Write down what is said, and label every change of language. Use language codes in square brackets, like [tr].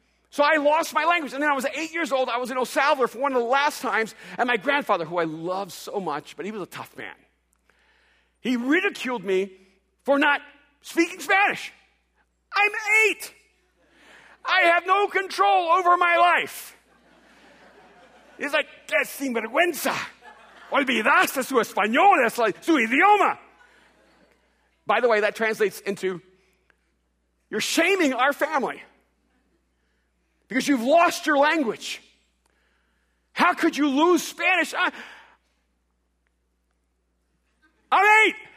[en] So I lost my language. And then I was 8 years old. I was in El Salvador for one of the last times. And my grandfather, who I loved so much, but he was a tough man, he ridiculed me for not speaking Spanish. I'm eight. I have no control over my life. He's like, [es] qué sinvergüenza. Olvidaste su español, es like su idioma. [en] By the way, that translates into, you're shaming our family because you've lost your language. How could you lose Spanish? I'm eight.